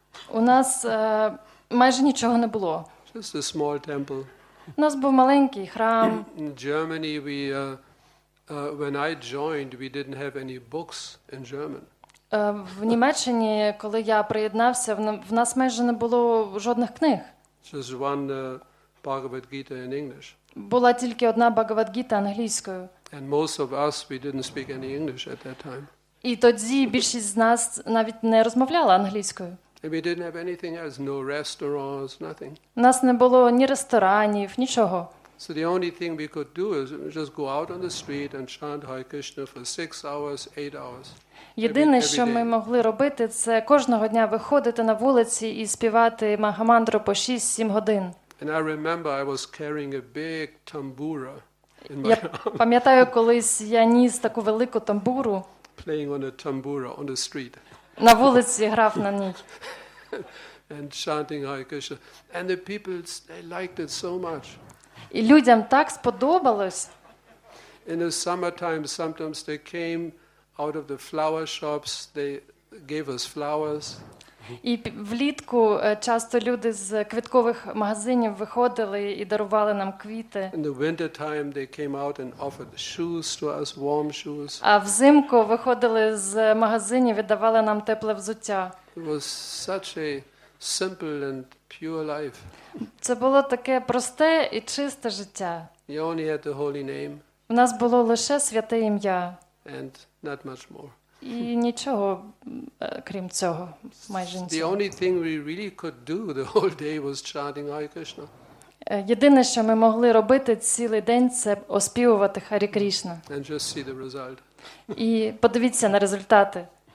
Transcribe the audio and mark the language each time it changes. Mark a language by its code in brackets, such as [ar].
[uk] У нас майже нічого не було. [en] Just a small temple. [uk] У нас був маленький храм. [en] In Germany we when I joined, we didn't have any books in German. [uk] В Німеччині, коли я приєднався, в нас майже не було жодних книг. [en] Just one Bhagavad Gita in English. [uk] Була тільки одна Bhagavad Gita англійською. [en] And most of us, we didn't speak any English at that time. [uk] І тоді більшість з нас навіть не розмовляла англійською. [en] And we didn't have anything else, no restaurants, nothing. [uk] У нас не було ні ресторанів, нічого. [en] So the only thing we could do is just go out on the street and chant Hare Krishna for 6 hours, 8 hours. [uk] Єдине, що ми могли робити, це кожного дня виходити на вулиці і співати Махамандру по 6-7 годин. [en] And I remember I was carrying a big tambura in my arm. [uk] Я пам'ятаю, колись я ніс таку велику тамбуру. [en] Playing on a tambura on the street. [uk] На вулиці грав на ній. [en] And chanting Hare Krishna. And the people, they liked it so much. [uk] І людям так сподобалось. [en] In the summertime, sometimes they came out of the flower shops, they gave us flowers. [uk] І влітку часто люди з квіткових магазинів виходили і дарували нам квіти. [en] In the winter time they came out and offered shoes to us, warm shoes. [uk] А взимку виходили з магазинів і давали нам тепле взуття. [en] It was such a simple and pure life. [uk] Це було таке просте і чисте життя. [en] You only had the holy name. [uk] У нас було лише святе ім'я. [en] And not much more. [uk] І нічого крім цього, майже нічого. [en] The only thing we really could do the whole day was chanting Hare Krishna. [uk] Єдине, що ми могли робити цілий день, це оспівувати Харе Кришна. [en] And just see the result. [uk] І подивіться на результати.